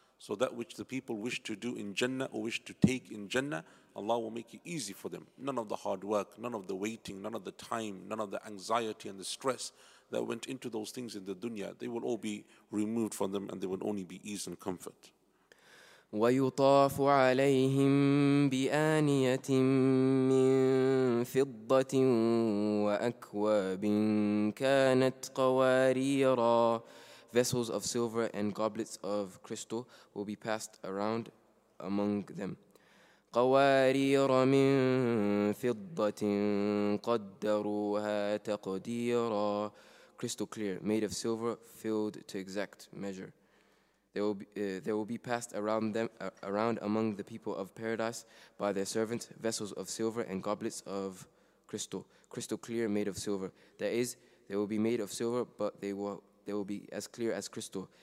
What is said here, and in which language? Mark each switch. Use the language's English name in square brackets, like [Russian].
[English] So that which the people wish to do in Jannah or wish to take in Jannah, Allah will make it easy for them. None of the hard work, none of the waiting, none of the time, none of the anxiety and the stress that went into those things in the dunya, they will all be removed from them and there will only be ease and comfort. [Arabic] ويطاف عليهم بآنية من فضة وأكواب كانت قواريرا. [English] Vessels of silver and goblets of crystal will be passed around among them. [Arabic] قوارير من فضة قدروها تقديرا. [English] Crystal clear, made of silver, filled to exact measure. There will be passed around them, around among the people of paradise by their servants, vessels of silver and goblets of crystal, crystal clear made of silver. That is, they will be made of silver, but they will be as clear as crystal.